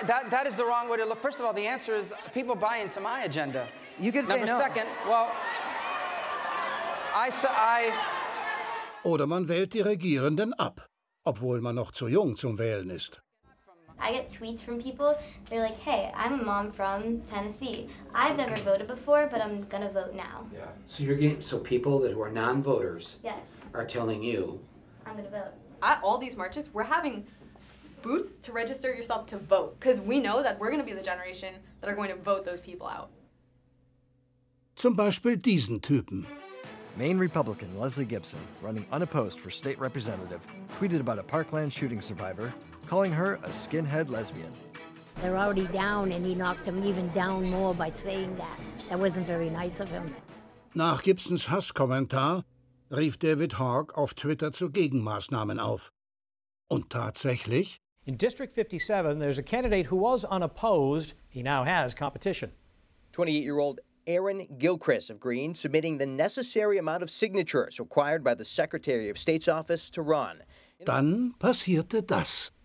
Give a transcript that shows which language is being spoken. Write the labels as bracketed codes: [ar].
[en] That is the wrong way to look. First of all, the answer is people buy into my agenda. You can say number no. Number second, well, I... [de] Oder man wählt die Regierenden ab, obwohl man noch zu jung zum Wählen ist. [en] I get tweets from people, they're like, hey, I'm a mom from Tennessee. I've never voted before, but I'm gonna vote now. Yeah. So you're getting, so people that who are non-voters are telling you. I'm gonna vote. All these marches, we're having booths to register yourself to vote. Because we know that we're gonna be the generation that are going to vote those people out. [de] Zum Beispiel diesen Typen. [en] Maine Republican Leslie Gibson, running unopposed for state representative, tweeted about a Parkland shooting survivor, calling her a skinhead lesbian. They're already down, and he knocked them even down more by saying that. That wasn't very nice of him. [de] Nach Gibsons Hasskommentar rief David Hogg auf Twitter zu Gegenmaßnahmen auf. Und tatsächlich? [en] In District 57, there's a candidate who was unopposed. He now has competition. 28-year-old Aaron Gilchrist of Green submitting the necessary amount of signatures required by the Secretary of State's office to run. [de] Dann passierte das.